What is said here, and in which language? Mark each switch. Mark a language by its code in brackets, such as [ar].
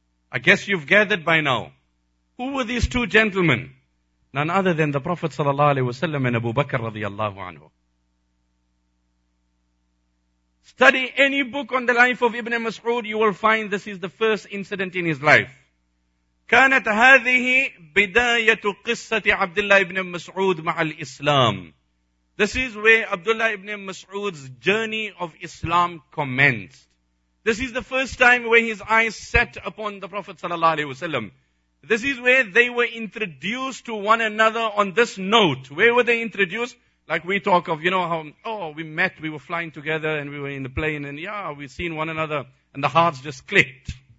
[en] I guess you've gathered by now. Who were these two gentlemen? None other than the Prophet sallallahu alayhi wasallam and Abu Bakr radiallahu anhu. Study any book on the life of Ibn Mas'ud, you will find this is the first incident in his life. [ar] كانت هذه بداية قصة عبد الله ابن مسعود مع الإسلام. [en] This is where Abdullah ibn Mas'ud's journey of Islam commenced. This is the first time where his eyes set upon the Prophet sallallahu alaihi wasallam. This is where they were introduced to one another on this note. Where were they introduced? Like we talk of, you know, how, oh, we met, we were flying together and we were in the plane and yeah, we've seen one another and the hearts just clicked.